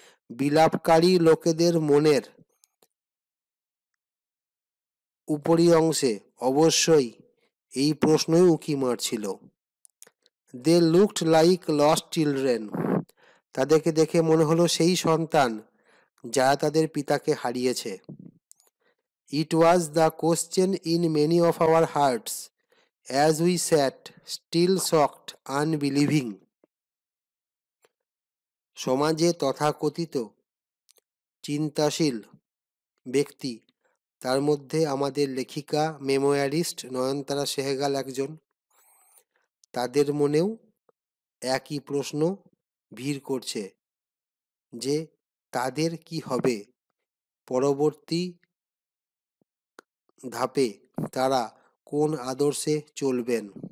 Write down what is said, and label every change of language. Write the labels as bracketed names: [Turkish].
[Bangla] বিলাপকারী লোকেদের মনের উপরি অংশে অবশ্যই এই প্রশ্নই উঁকি মারছিল। [English] They looked like lost children. [Bangla] তাদেরকে দেখে মনে হলো সেই সন্তান যারা তাদের পিতাকে হারিয়েছে। [English] It was the question in many of our hearts as we sat, still shocked, unbelieving. [Bangla] সমাজে তথাকথিত চিন্তাশীল ব্যক্তি, তার মধ্যে আমাদের লেখিকা মেমোয়ারিস্ট নয়নতারা সেহগাল একজন, তাদের মনেও একই প্রশ্ন ভিড় করছে যে তাদের কি হবে পরবর্তী ধাপে, তারা কোন আদর্শে চলবেন।